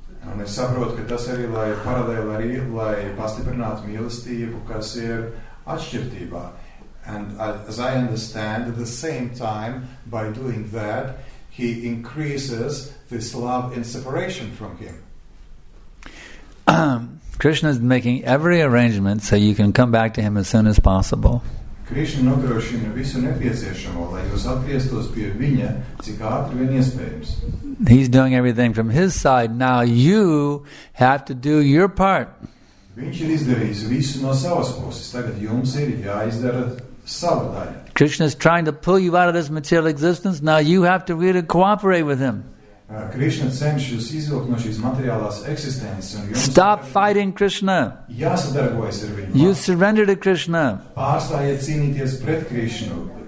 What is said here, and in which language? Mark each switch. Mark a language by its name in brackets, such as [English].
[Latvian] Un es saprotu, ka tas arī lai paralēli arī lai pastiprinātu mīlestību, kas ir atšķirtībā. [English] And as I understand, at the same time, by doing that, he increases this love in separation from him. Krishna is making every arrangement so you can come back to him as soon as possible. [Latvian] Krišna nodrošina visu nepieciešamo, lai jūs atgrieztos pie viņa, cik ātri vien iespējams. [English] He's doing everything from his side. Now you have to do your part. [Latvian] Viņš ir izdarījis visu no savas puses. Tagad jums ir jāizdara sava daļa. [English] Krishna is trying to pull you out of this material existence. Now you have to really cooperate with him. [Latvian] Krishna cenš jūs izvilkt no šīs materiālās eksistences. [English] Stop fighting Krishna. [Latvian] Jāsadarbojas ar viņu. [English] You surrender to Krishna. [Latvian] Pārstājiet cīnīties pret Krishnu.